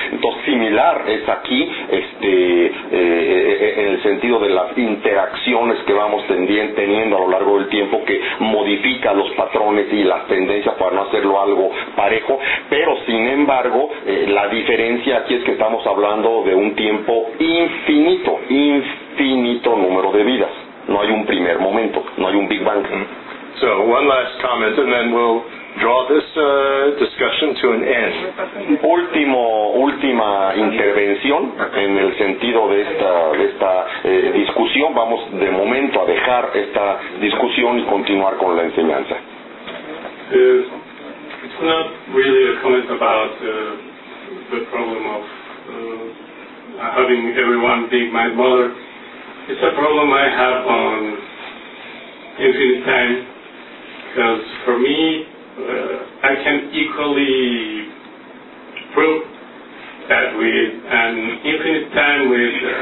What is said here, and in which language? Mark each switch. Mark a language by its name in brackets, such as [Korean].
[Spanish] Entonces, similar es aquí, en el sentido de las interacciones que vamos teniendo a lo largo del tiempo, que modifica los patrones y las tendencias para no hacerlo algo parejo, pero sin embargo la diferencia aquí es que estamos hablando de un tiempo infinito, infinito número de vidas. No hay un primer momento, no hay un Big Bang. [English] So one last comment and then we'll draw this discussion to an end. [Spanish] Última intervención en el sentido de esta discusión. Vamos de momento a dejar esta discusión y continuar con la enseñanza. [English] It's not really a comment about the problem of having everyone be my mother. It's a problem I have on infinite time, because for me, I can equally prove that with an infinite time with